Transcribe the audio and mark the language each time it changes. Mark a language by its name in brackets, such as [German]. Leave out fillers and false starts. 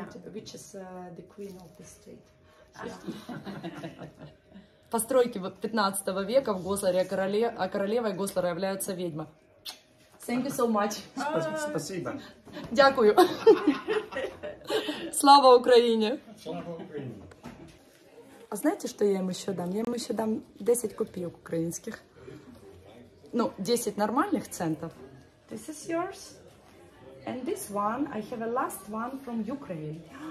[English] And, which is the queen of the state. [Russian] Постройки 15 века в Гослере, а королевой Гослера является ведьма. [English] Thank you so much. [Russian] Спасибо. [Ukrainian] Дякую. Слава Украине. Слава. [Russian] А знаете, что я им еще дам? Я им еще дам 10 копеек украинских. Ну, 10 нормальных центов. [English] This is yours. And this one, I have a last one from Ukraine.